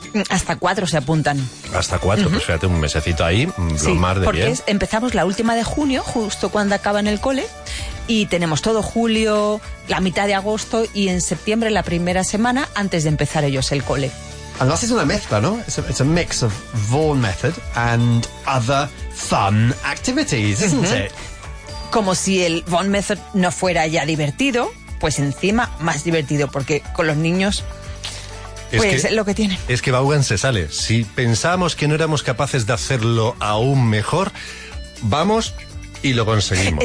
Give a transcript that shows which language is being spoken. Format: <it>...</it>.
<es>Hasta cuatro se apuntan. Hasta cuatro, pues fíjate, un mesecito ahí, lo más de porque bien. Porque empezamos la última de junio, justo cuando acaban el cole, y tenemos todo julio, la mitad de agosto, y en septiembre la primera semana antes de empezar ellos el cole. Además es una mezcla, ¿no?</es> <en>It's a mix of Vaughan Method and other fun activities, isn't it?</en> <es>Como si el Vaughan Method no fuera ya divertido, pues encima más divertido, porque con los niños... Es pues que, lo que tiene. Es que Vaughan se sale. Si pensábamos que no éramos capaces de hacerlo aún mejor, vamos y lo conseguimos.</es>